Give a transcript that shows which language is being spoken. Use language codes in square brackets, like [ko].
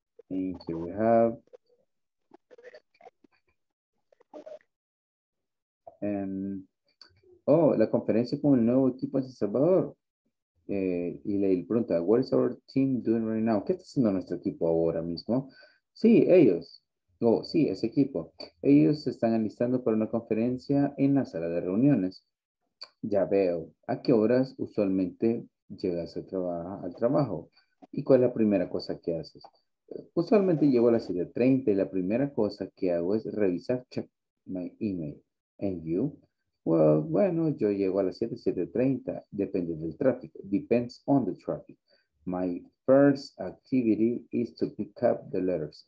[en] And here we have, [es] oh, la conferencia con el nuevo equipo en San Salvador. Y le pregunta, [en] what is our team doing right now? [es] ¿Qué está haciendo nuestro equipo ahora mismo? Sí, ellos. Oh, sí, ese equipo. Ellos se están alistando para una conferencia en la sala de reuniones. Ya veo. ¿A qué horas usualmente llegas al trabajo? ¿Y cuál es la primera cosa que haces? Usualmente llego a las 7:30 y la primera cosa que hago es revisar, [en] check my email. And you? [es] Well, bueno, yo llego a las 7:30, depende del tráfico. [en] Depends on the traffic. My first activity is to pick up the letters.